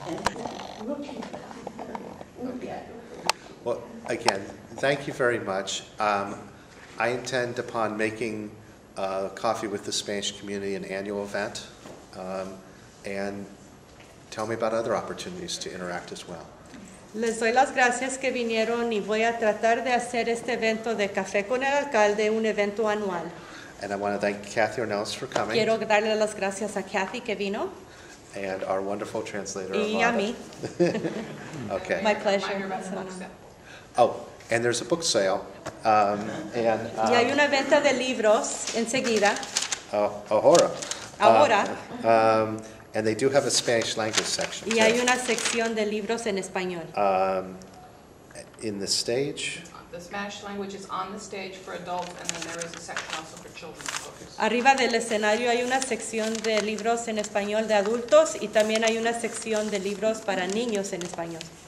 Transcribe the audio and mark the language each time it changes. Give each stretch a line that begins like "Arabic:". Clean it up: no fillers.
English: And looking back, we'll get. Well, again, thank you very much. I intend upon making coffee with the Spanish community an annual event, and tell me about other opportunities to interact as well.
Spanish: Les doy las gracias que vinieron y voy a tratar de hacer este evento de café con el alcalde un evento anual.
English: And I want to thank Kathy Ornelas for coming.
Spanish: Quiero darle las gracias a Kathy que vino.
English: And our wonderful translator.
Spanish: Y Armada. A mí.
English: Okay. My pleasure. Oh, and there's a book sale.
Spanish: Y hay una venta de libros enseguida. Ahora. Ahora.
English: And they do have a Spanish language section.
Spanish: Y hay una sección de libros en español.
English: In the stage. The Spanish language is on the stage for adults, and then there is a section also for children's books.
Spanish: Arriba del escenario hay una sección de libros en español de adultos, y también hay una sección de libros para niños en español.